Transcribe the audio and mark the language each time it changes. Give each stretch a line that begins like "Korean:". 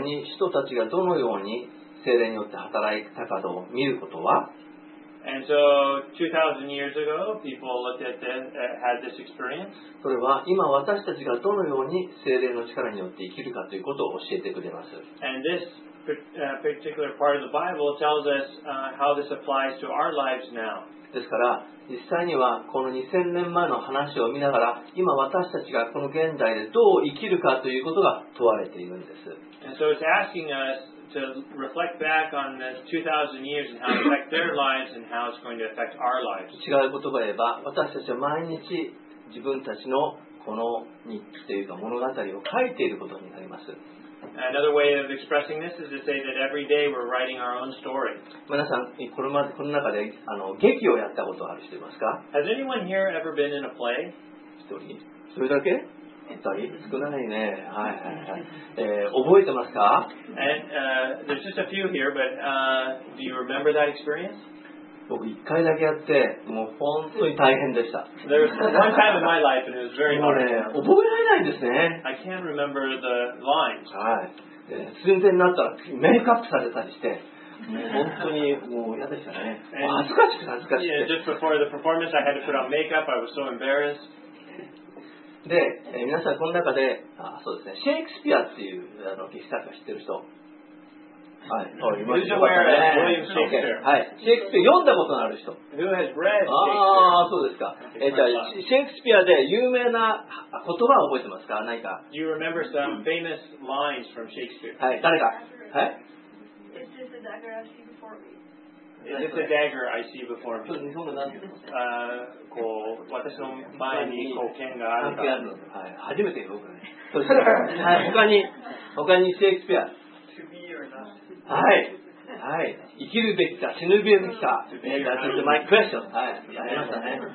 Japanese: に人たちがどのように聖霊によって働いたかを見ることは、
English: And so, 2000 years ago, people looked at this, had this experience.
Japanese: それは今私たちがどのように聖霊の力によって生きるかということを教えてくれます。
English: And this particular part of the Bible tells us how this applies to our lives now.
Japanese: ですから、実際にはこの2000年前の話を見ながら、今私たちがこの現代でどう生きるかということが問われているんです。
English: And so it's asking us,to reflect back on the 2000 years and how it affects their lives and how it's going to affect our lives.
Japanese: 違う言葉で言えば、私たちは毎日自分たちのこの日記というか物語を書いていることになります。
English: Another way of expressing this is to say that every day we're writing our own story.
Japanese: 皆さん、これまでこの中で劇をやったことはある人いますか？
English: Has anyone here ever been in a play?
Japanese: 一人？それだけ？少ないね。はいはいはい。覚えてますか？
English: And, there's just a few here, but do you remember that experience?
Japanese: 僕一回だけやって、もう本当に大変でした。
English: There was one time in my life and it was very hard.
Japanese: もうね、覚えられないですね。
English: I can't remember the lines.
Japanese: はい。寸前になったらメイクアップされたりして。もう本当にもう嫌でしたね。もう恥ずかしくて恥ずかしくて。
English: Yeah, just before the performance I had to put on makeup. I was so embarrassed.
Japanese: で、皆さんこの中 で, そうです、ね、シェイクスピアっていう劇作家知ってる人、はい、いましたね。William Shakespeare、はい、シェイクスピア読んだことのある人。
English: Who has read Shakespeare?
Japanese: ああ、そうですか。じゃあシェイクスピアで有名な言葉を覚えてますか？何か。
English: Do you remember some famous lines from Shakespeare?
Japanese: はい、誰か。はい。
English: It's just a dagger I see before me. It's a dagger I see before me.
Japanese: 日本語なんこう私の前にこう剣があるか。はい、初めて僕ね。そうですね。はい、他にシェイクスピア。
English: To be or not.
Japanese: はいはい、生きるべきか死ぬべきか。
English: To be or not. That's my question.
Japanese: はい、ありましたね。